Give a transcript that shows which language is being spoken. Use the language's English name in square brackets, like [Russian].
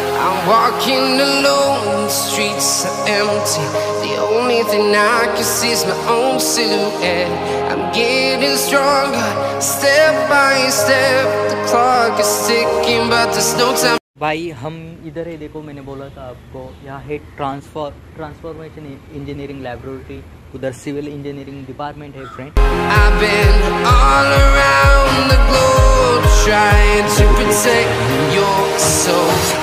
[English] I'm walking alone, the streets are empty. Nothing I can see is my own silhouette. I'm getting stronger, step by step. The clock is ticking, but there's no time. [Hindi] भाई हम इधर है, देखो मैंने बोला था आपको, यहाँ है ट्रांसफॉर्मेशन इंजीनियरिंग लेबोरेटरी, उधर सिविल इंजीनियरिंग डिपार्टमेंट है friend. [English] I've been all around the globe trying to protect your soul.